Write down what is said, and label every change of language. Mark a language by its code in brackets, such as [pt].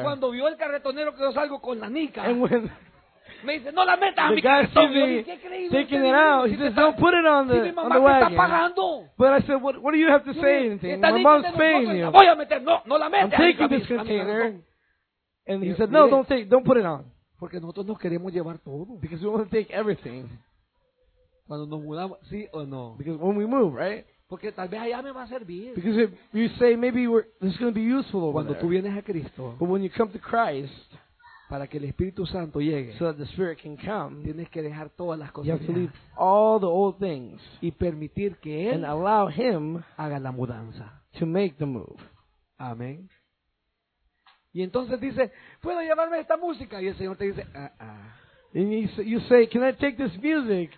[es] Y cuando vio el carretonero que yo salgo con la nica. [en] And when [es] me dice, no la metas a mi carretón. [en] The guy sees me taking it out. He says, don't put it on the wagon. [es] Está pagando. [en] But I said, what do you have to say anything? My mom's paying you. [es] Voy a meter. No, no la metas. [en] I'm taking this container. And he said, no, don't put it on. [es] Porque nosotros nos queremos llevar todo. [en] Because we want to take everything. [es] Cuando nos mudamos, sí o no. [en] Because when we move, right? [es] Porque tal vez allá me va a servir. [en] Because if you say maybe this is going to be useful over [es] cuando [en] there. [es] Tú vienes a Cristo, [en] but when you come to Christ, [es] para que el Espíritu Santo llegue, [en] so that the Spirit can come, [es] tienes que dejar todas las cosas. [en] You have to leave all the old things [es] y permitir que él [en] and allow him [es] haga la mudanza [en] to make the move. [es] Amén. Y entonces dice, ¿puedo llevarme esta música? Y el Señor te dice, [en] And you say, can I take this music?